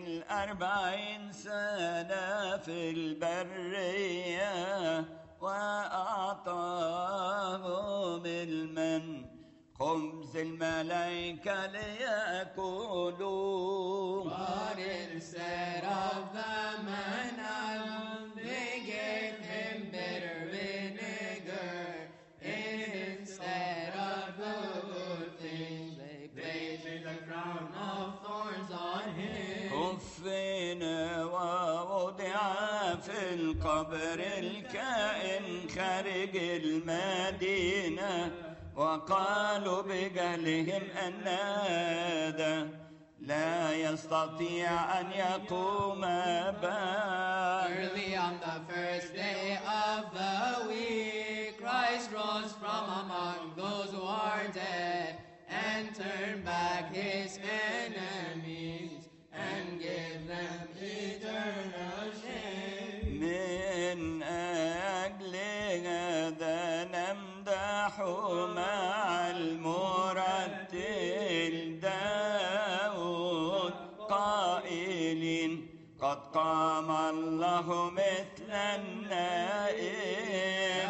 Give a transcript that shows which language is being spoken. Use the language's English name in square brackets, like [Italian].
[Arabic] أربعين سنة في البرية وأعطاهم المن خبز الملائكة ليأكلوا. [English] But instead of the manna, they gave him bitter vinegar. Instead of the good things, they placed a crown of thorns on him. [Arabic] كفن ووضع في القبر الكائن خارج المدينة وقالوا بجهلهم أن هذا لا يستطيع أن يقوم بعد. [English] Early on the first day of the week, Christ rose from among those who are dead and turned back his enemies and give them eternal shame. [Arabic] من أجل هذا نمدح مع المرتل داود قائلين قد قام الله مثل النائم.